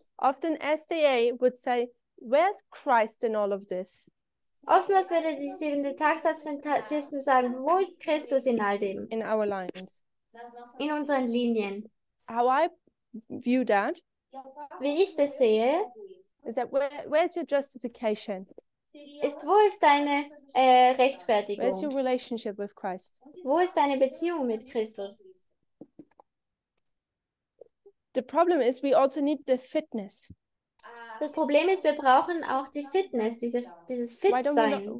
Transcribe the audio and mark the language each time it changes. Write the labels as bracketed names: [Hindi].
[English] Often SDA would say, where's Christ in all of this? [German] Oftmals würde die siebente Tagsadventisten sagen, wo ist Christus in all dem? [English] In our lines. [German] In unseren Linien. [English] How I view that, [German] wie ich das sehe, [English] is that where's your justification? [German] Ist, wo ist deine Rechtfertigung? [English] Where's your relationship with Christ? [German] Wo ist deine Beziehung mit Christus? [English] The problem is, we also need the fitness. [German] Das Problem ist, wir brauchen auch die Fitness, dieses Fitsein.